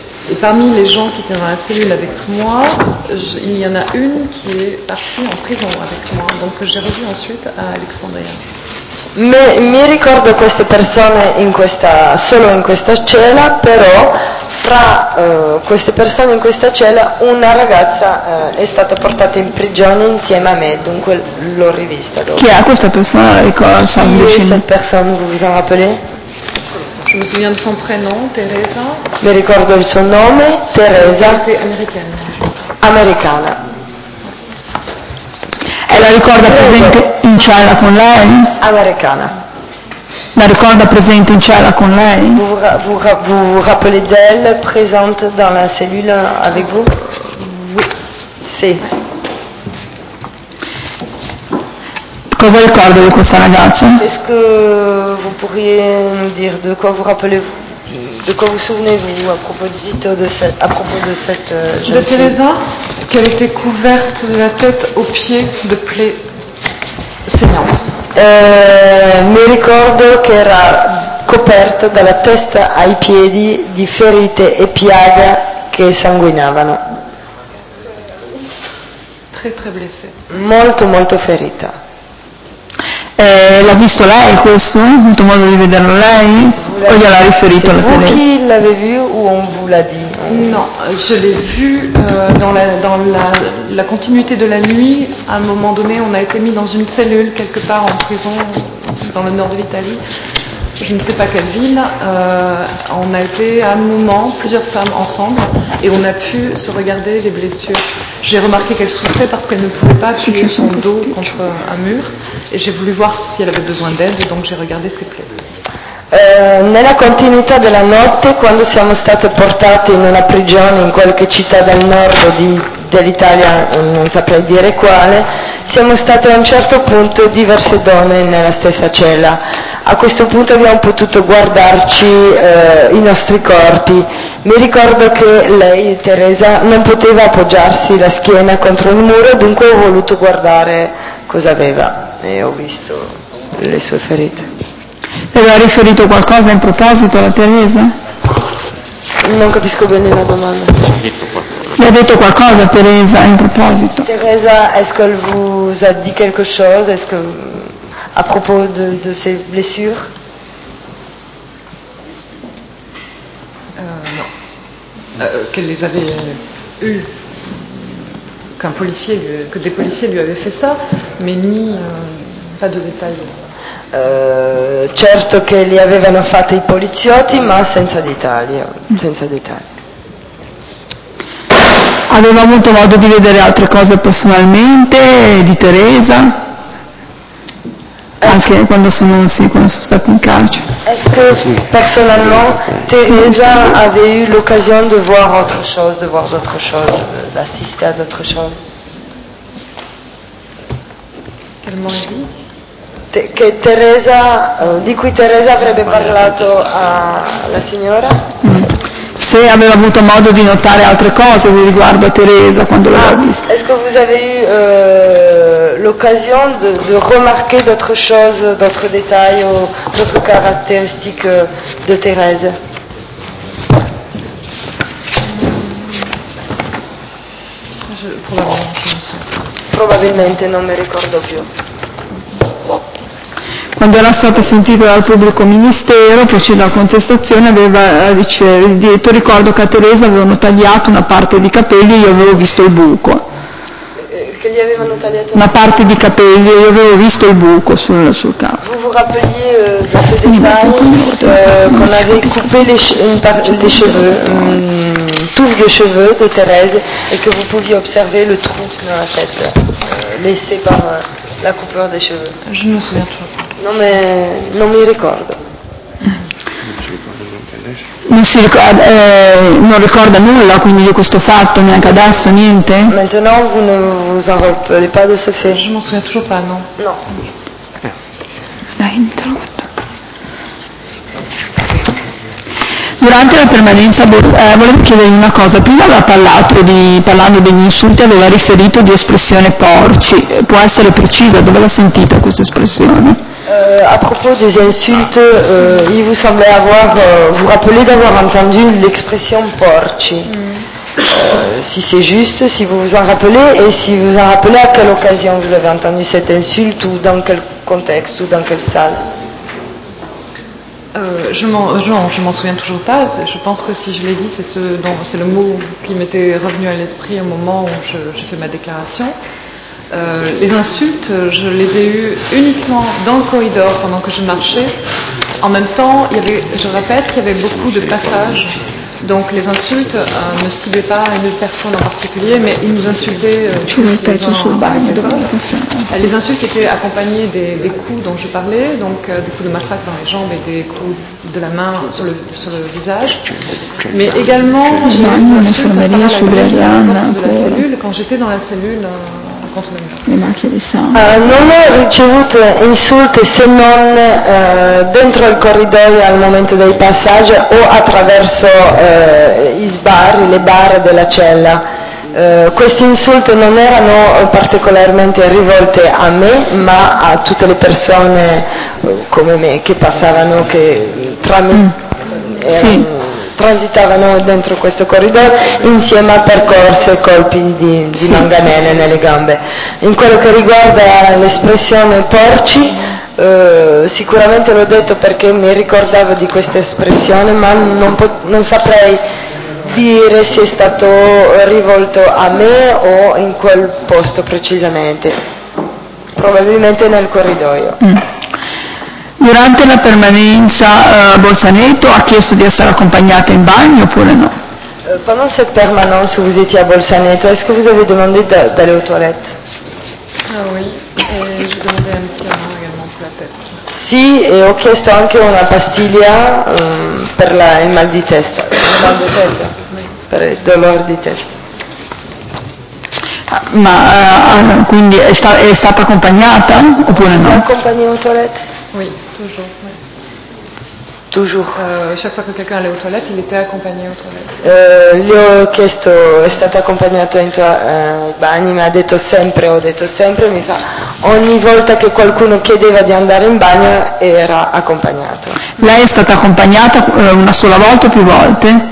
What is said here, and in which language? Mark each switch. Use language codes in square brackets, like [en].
[fr] Et parmi les gens qui étaient dans la cellule avec moi, il y en a une qui est partie en prison avec moi, donc j'ai revu ensuite à Alexandria. [it] Mais mi ricordo queste persone in questa, solo in questa cella, però fra queste persone in questa cella una ragazza è stata portata in prigione insieme a me, dunque l'ho rivista dopo. Chi è questa persona? [fr] Vous en rappelez? Je me souviens de son prénom, Teresa. [it] Mi ricordo il suo nome, Teresa. Americana. E la ricorda presente in cella con lei? Americana. La ricorda presente in cella con lei? [fr] Vous vous rappelez d'elle présente dans la cellule avec vous? Oui. [it] Sì. Cosa ricordo di questa ragazza? [fr] Est-ce que vous pourriez nous dire de quoi vous rappelez-vous, de quoi vous souvenez-vous à propos de cette, à propos de cette de Teresa, qu'elle était couverte de la tête aux pieds de plaies saignantes. [it] Mi ricordo che era coperta dalla testa ai piedi di ferite e piaghe che sanguinavano. [fr] Très très blessée. [it] Molto molto ferita. L'ha visto lei questo? Ha avuto modo di vederlo lei? O gliel'ha riferito la tele? [fr] Chi l'avevi vu o on vous l'a dit? No, je l'ai vu dans la continuité de la nuit. À un moment donné, on a été mis dans une cellule quelque part en prison dans le nord de l'Italie. Je ne sais pas quelle ville. On a été à un moment plusieurs femmes ensemble et on a pu se regarder les blessures. J'ai remarqué qu'elle souffrait parce qu'elle ne pouvait pas appuyer son dos contre un mur et j'ai voulu voir si elle avait besoin d'aide, donc j'ai regardé ses plaies. [it] Nella continuità della notte, quando siamo state portate in una prigione in qualche città del nord dell'Italia, non saprei dire quale, siamo state a un certo punto diverse donne nella stessa cella. A questo punto abbiamo potuto guardarci i nostri corpi. Mi ricordo che lei, Teresa, non poteva appoggiarsi la schiena contro il muro, dunque ho voluto guardare cosa aveva e ho visto le sue ferite. E le ha riferito qualcosa in proposito alla Teresa? Non capisco bene la domanda. Le ha detto qualcosa Teresa in proposito? [fr] Teresa, est-ce qu'elle vous a dit quelque chose? Est-ce que à propos de ses blessures? Non. Qu'elle les avait eues, qu'un policier, que des policiers lui avaient fait ça, mais ni pas de détails. [it] Certo che li avevano fatti i poliziotti, ma senza dettagli, senza dettagli. Aveva avuto modo di vedere altre cose personalmente di Teresa? Anche quando sono, sì, quando sono stato in carcere. [fr] Est-ce que personnellement Teresa avait eu l'occasion de voir autre chose, de voir d'autres choses, d'assister à d'autres choses? Quel mot est-il? [it] Che Teresa, di cui Teresa avrebbe parlato alla signora? Se aveva avuto modo di notare altre cose di riguardo a Teresa quando l'aveva vista. [fr] Est-ce que vous avez eu l'occasion de remarquer d'autres choses, d'autres détails ou d'autres caractéristiques de Thérèse? [it] Probabilmente non mi ricordo più. Quando era stata sentita dal pubblico ministero, poi c'è la contestazione, aveva detto: ricordo che a Teresa avevano tagliato una parte di capelli e io avevo visto il buco. Che gli avevano tagliato? Una parte di capelli e io avevo visto il buco sul capo. [fr] Vous vous rappeliez de ce dettaglio, qu'on avait coupé les cheveux, tous vieux cheveux de Thérèse, et que vous pouviez observer le trou dans la tête, laissé par la coupeur des cheveux. Je me souviens trop. [it] Non mi ricordo. Non ricorda nulla quindi di questo fatto, neanche adesso, niente? [fr] Maintenant vous ne vous en rappelez pas de ce fait. Je m'en souviens toujours pas, non? [it] Non. Dai, non te lo guardo. Durante la permanenza, volevo chiedere una cosa. Prima aveva parlato parlando degli insulti, aveva riferito di espressione porci. Può essere precisa? Dove l'ha sentita questa espressione? [fr] A proposito degli insulti, il vous semblait avoir, vous rappelez d'avoir entendu l'expression porci. Si c'est juste, si vous vous en rappelez, et si vous vous en rappelez à quelle occasion vous avez entendu cette insulte, ou dans quel contexte, ou dans quelle salle? Je m'en souviens toujours pas. Je pense que si je l'ai dit, c'est le mot qui m'était revenu à l'esprit au moment où j'ai fait ma déclaration. Les insultes, je les ai eues uniquement dans le corridor pendant que je marchais. En même temps, je répète qu'il y avait beaucoup de passages. Donc les insultes ne ciblaient pas une personne en particulier, mais ils nous insultaient les insultes étaient accompagnées des coups dont je parlais, donc des coups de matraque dans les jambes et des coups de la main sur le visage. Mais également, quand j'étais dans la cellule contre le mur. [it] Le macchie di sangue. Non ho ricevuto insulti se non dentro il corridoio al momento dei passaggi o attraverso le barre della cella. Questi insulti non erano particolarmente rivolti a me, ma a tutte le persone come me che passavano, che tra me transitavano dentro questo corridoio insieme a percorse e colpi di manganelle nelle gambe. In quello che riguarda l'espressione porci, sicuramente l'ho detto perché mi ricordavo di questa espressione, ma non saprei dire se è stato rivolto a me o in quel posto precisamente, probabilmente nel corridoio. Durante la permanenza a Bolzaneto ha chiesto di essere accompagnata in bagno oppure no? [fr] Pendant cette permanence, vous étiez à Bolzaneto, est-ce que vous avez demandé d'aller aux toilettes? Ah oui, et j'ai demandé un petit amour également pour la tête. [it] Sì, e ho chiesto anche una pastiglia per il mal di testa, per il dolore di testa. Ma quindi è stata accompagnata oppure no? [fr] Accompagnée aux toilettes? Oui, toujours. Oui. Toujours. Chaque fois que quelqu'un allait aux toilettes, il était accompagné aux toilettes. [it] Le ho chiesto, è stata accompagnata in bagni, mi ha detto sempre, ho detto sempre, mi fa ogni volta che qualcuno chiedeva di andare in bagno era accompagnato. Lei è stata accompagnata una sola volta o più volte?